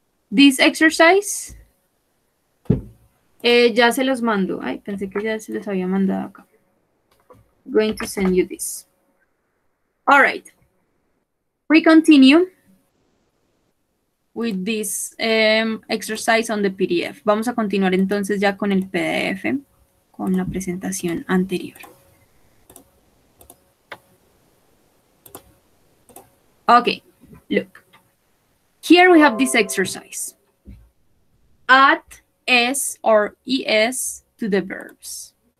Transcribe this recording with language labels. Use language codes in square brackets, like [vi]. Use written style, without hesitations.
[en] This exercise? [es] Ya se los mando. Ay, pensé que ya se les había mandado acá. [en] Going to send you this. All right. We continue with this exercise on the PDF. [es] Vamos a continuar entonces ya con el PDF, con la presentación anterior. [en] Okay, look. Here we have this exercise. At S or ES to the verbs.